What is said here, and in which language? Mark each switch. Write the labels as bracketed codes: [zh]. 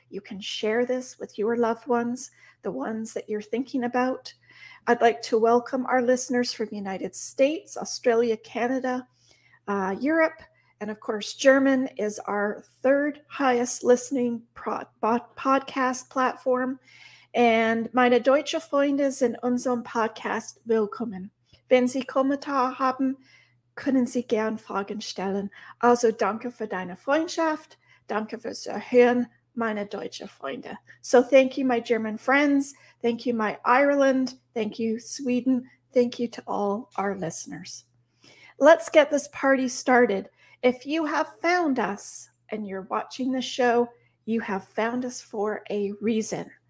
[en] You can share this with your loved ones, the ones that you're thinking about. I'd like to welcome our listeners from the United States, Australia, Canada, Europe, and of course, German is our third highest listening podcast platform. [de] And meine deutsche Freunde sind unserem Podcast willkommen. Wenn Sie Kommentare haben, können Sie gern Fragen stellen. Also danke für deine Freundschaft. Danke fürs Zuhören, meine deutsche Freunde. [en] So thank you, my German friends. Thank you, my Ireland. Thank you, Sweden. Thank you to all our listeners. Let's get this party started. If you have found us and you're watching the show, you have found us for a reason.